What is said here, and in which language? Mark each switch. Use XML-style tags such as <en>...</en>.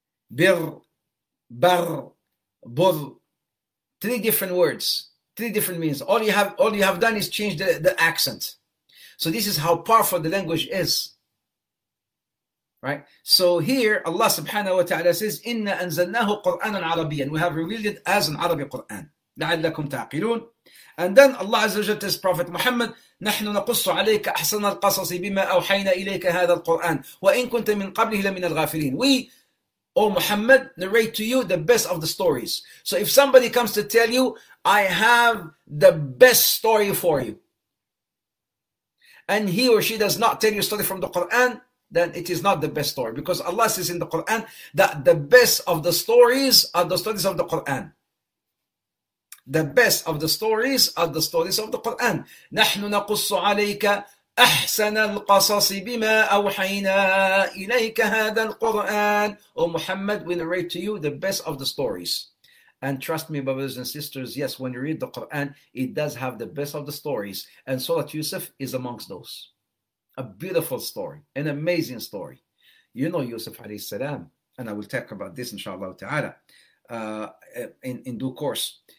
<en>Bir, Bar. Both three different words, three different meanings. All you have done is change the accent. So this is how powerful the language is. Right? So here Allah subhanahu wa ta'ala says,</en> <ar>Inna anzalnahu Qur'anan Arabiyan.</ar> <en>We have revealed it as an Arabic Quran.</en> <ar>La'allakum ta'qilun.</ar> <en>And then Allah Azza wa Jalla says, Prophet Muhammad,</en> <ar>نحن نقص عليك أحسن القصص بما أوحينا إليك هذا القرآن. وإن كنت من قبله لمن الغافلين.</ar> <en>Oh Muhammad, narrate to you the best of the stories. So if somebody comes to tell you, I have the best story for you, and he or she does not tell you a story from the Quran, then it is not the best story. Because Allah says in the Quran that the best of the stories are the stories of the Quran. The best of the stories are the stories of the Quran.</en> <ar>نحن نقص عليك أحسن القصص بما أوحينا إليك هذا القرآن.</ar> <en>Oh Muhammad, we narrate to you the best of the stories. And trust me, brothers and sisters, yes, when you read the Quran, it does have the best of the stories. And Surah Yusuf is amongst those. A beautiful story, an amazing story. You know Yusuf alayhi salam, and I will talk about this inshallah ta'ala in due course.</en>